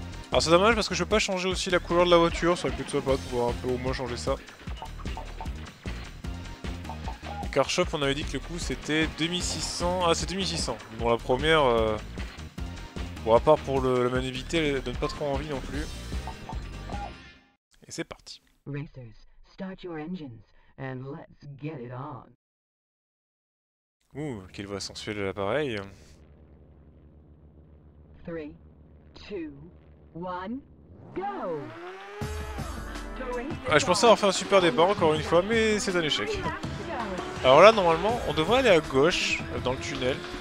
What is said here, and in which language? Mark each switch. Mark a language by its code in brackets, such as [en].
[fr] Alors, c'est dommage parce que je peux pas changer aussi la couleur de la voiture. Ça aurait plutôt sympa de pouvoir un peu au moins changer ça. Car Shop, on avait dit que le coût c'était 2600. Ah, c'est 2600. Bon, la première. Bon, à part pour la maniabilité, elle donne pas trop envie non plus. Et c'est parti. [en] Racers, start your engines and let's get it on. [fr] Ouh, quelle voix sensuelle de l'appareil. [en] 3, 2, 1, go! [fr] Ah, je pensais avoir fait un super départ encore une fois, mais c'est un échec. Alors là, normalement, on devrait aller à gauche dans le tunnel.